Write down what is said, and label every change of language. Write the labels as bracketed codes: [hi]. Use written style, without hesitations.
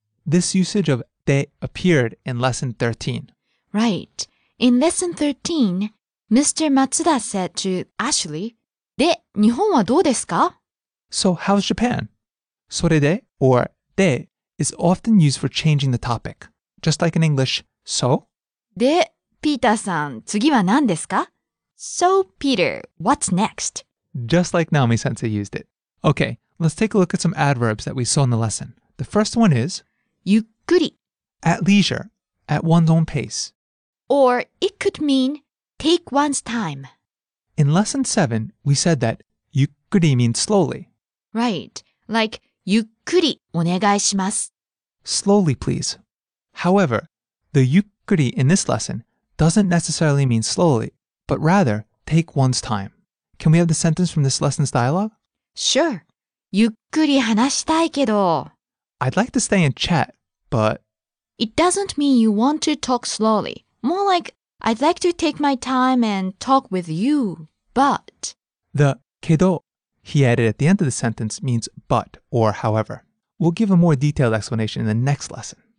[en] This usage of で appeared in lesson 13. Right. In lesson 13, Mr. Matsuda said to Ashley, で, 日本はどうですか? So, how's Japan? それで or で is often used for changing the topic. Just like in English, so? [ja] で、ピーターさん、次は何ですか? [en] So, Peter, what's next? Just like Naomi-sensei used it. Okay, Let's take a look at some adverbs that we saw in the lesson. The first one is [ja] ゆっくり [en] at leisure, at one's own pace. Or it could mean take one's time. In lesson 7, we said that ゆっくり means slowly. Right, like ゆっくりお願いします。 Slowly, please. However, the ゆっくり in this lesson doesn't necessarily mean slowly, but rather take one's time. Can we have the sentence from this lesson's dialogue? Sure. [ja] ゆっくり話したいけど。 [en] I'd like to stay and chat, but... It doesn't mean you want to talk slowly. More like, I'd like to take my time and talk with you, but... The けど he added at the end of the sentence means but or however. We'll give a more detailed explanation in the next lesson.